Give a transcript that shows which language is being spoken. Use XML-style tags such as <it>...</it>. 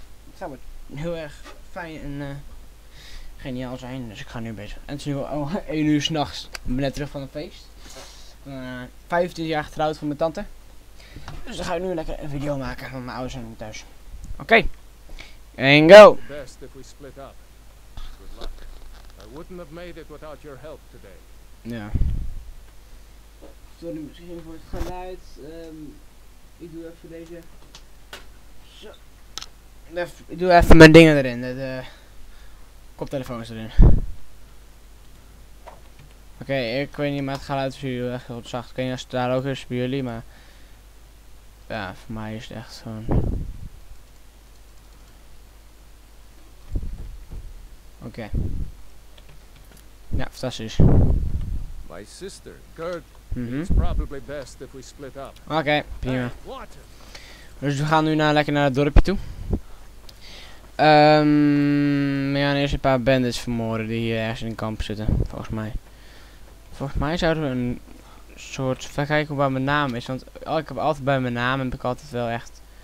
<nl>Dat zou het heel erg fijn en... geniaal zijn, dus ik ga nu bezig. En het is nu al 1 uur 's nachts. Ik ben net terug van een feest. 25 jaar getrouwd van mijn tante. Dus dan ga ik nu lekker een video maken van mijn ouders en mijn thuis. Oké. En</nl> <en>go! Best if we split up. Good luck. I wouldn't have made it without your help today.</en> <nl>Ja. Sorry misschien voor het geluid. Ik doe even deze. Zo. Ik doe even mijn dingen erin. Koptelefoon is erin. Oké, ik weet niet, maar het geluid is hier echt heel zacht. Ik weet niet als het daar ook is bij jullie, maar... ja, voor mij is het echt zo'n... oké. Ja, fantastisch.</nl> <en>My sister, Gert, it's probably best if we split up.</en> <nl>Oké, prima. Dus we gaan nu lekker naar het dorpje toe. We gaan eerst een paar bandits vermoorden die hier ergens in een kamp zitten, volgens mij. Volgens mij zouden we een soort... even kijken waar mijn naam is, want ik heb altijd bij mijn naam, heb ik altijd wel echt...</nl>